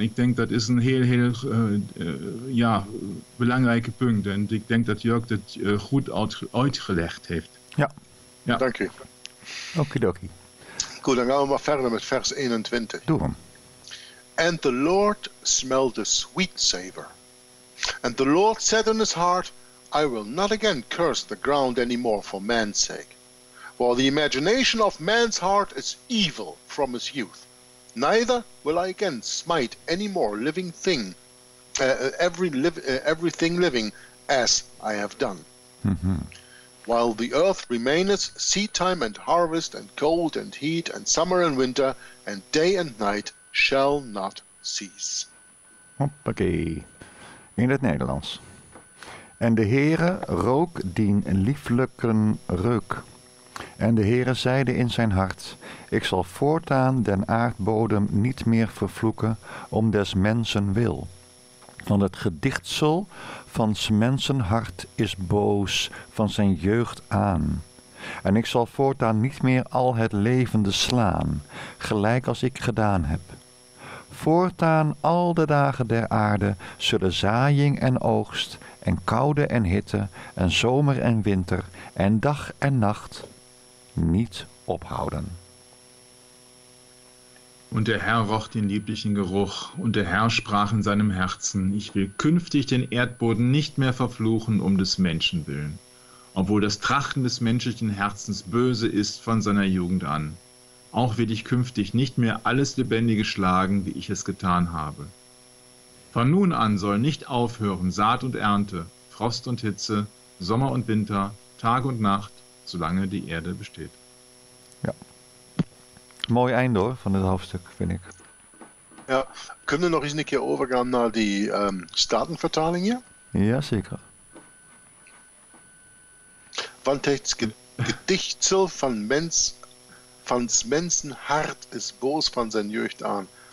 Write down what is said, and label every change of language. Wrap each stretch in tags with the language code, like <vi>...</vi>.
<nl>Ik denk dat is een heel belangrijke punt. En ik denk dat Jörg dat goed uitgelegd heeft. Ja. Ja. Dank u. Okidoki. Goed, dan gaan we maar verder met vers 21. Doe hem.</nl> <en>And the Lord smelled the sweet savor. And the Lord said in his heart, I will not again curse the ground anymore for man's sake. For the imagination of man's heart is evil from his youth. Neither will I again smite any more living thing, everything living, as I have done. Mm-hmm. While the earth remaineth, seed time and harvest, and cold and heat, and summer and winter, and day and night shall not cease.</en> <nl>Hoppakee. In het Nederlands. En de Heere rook dien lieflijken reuk. En de Heere zeide in zijn hart, ik zal voortaan den aardbodem niet meer vervloeken om des mensen wil. Want het gedichtsel van s mensen hart is boos van zijn jeugd aan. En ik zal voortaan niet meer al het levende slaan, gelijk als ik gedaan heb. Voortaan al de dagen der aarde zullen zaaiing en oogst en koude en hitte en zomer en winter en dag en nacht niet ophouden.</nl> <de>Und der Herr roch den lieblichen Geruch, und der Herr sprach in seinem Herzen, ich will künftig den Erdboden nicht mehr verfluchen um des Menschen willen, obwohl das Trachten des menschlichen Herzens böse ist von seiner Jugend an. Auch will ich künftig nicht mehr alles Lebendige schlagen, wie ich es getan habe. Von nun an soll nicht aufhören Saat und Ernte, Frost und Hitze, Sommer und Winter, Tag und Nacht, solange die Erde besteht.</de> <nl>Ja. Mooi einde hoor, van het hoofdstuk, vind ik. Ja, kunnen we nog eens een keer overgaan naar die Statenvertaling hier? Ja, zeker. Want het gedichtsel van mens... Van's mensen hart is boos van zijn jeugd aan.</nl>